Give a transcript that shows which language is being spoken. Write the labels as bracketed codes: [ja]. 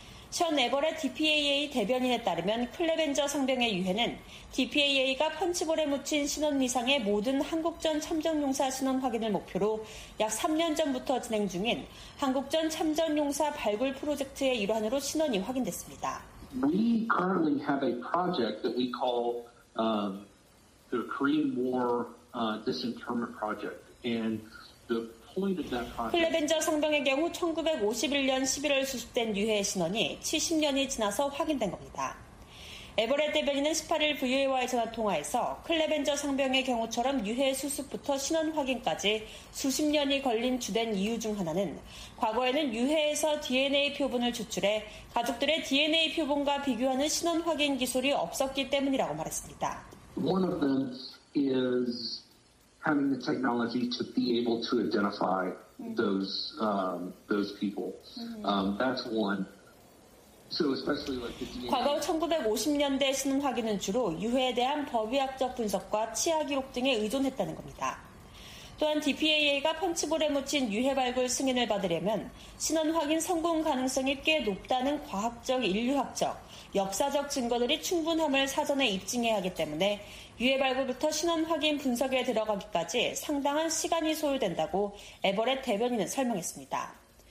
[ko] 션 에버렛 DPAA 대변인에 따르면 클레벤저 상병의 유해는 DPAA가 펀치볼에 묻힌 신원 미상의 모든 한국전 참전용사 신원 확인을 목표로 약 3년 전부터 진행 중인 한국전 참전용사 발굴 프로젝트의 일환으로 신원이 확인됐습니다. [en] We currently have a project that we call the Korean War Disinterment Project. And the point of that project. [ko] 클레벤저 상병의 경우 1951년 11월 수습된 유해의 신원이 70년이 지나서 확인된 겁니다. 에버렛 대변인은 18일 VOA와의 전화 통화에서 클레벤저 상병의 경우처럼 유해 수습부터 신원 확인까지 수십 년이 걸린 주된 이유 중 하나는 과거에는 유해에서 DNA 표본을 추출해 가족들의 DNA 표본과 비교하는 신원 확인 기술이 없었기 때문이라고 말했습니다. [en] One of them is having the technology to be able to identify those those people. That's one. [ko] 과거 1950년대 신원 확인은 주로 유해에 대한 법의학적 분석과 치아 기록 등에 의존했다는 겁니다. 또한 DPAA가 펀치볼에 묻힌 유해 발굴 승인을 받으려면 신원 확인 성공 가능성이 꽤 높다는 과학적, 인류학적, 역사적 증거들이 충분함을 사전에 입증해야 하기 때문에 유해 발굴부터 신원 확인 분석에 들어가기까지 상당한 시간이 소요된다고 에버렛 대변인은 설명했습니다.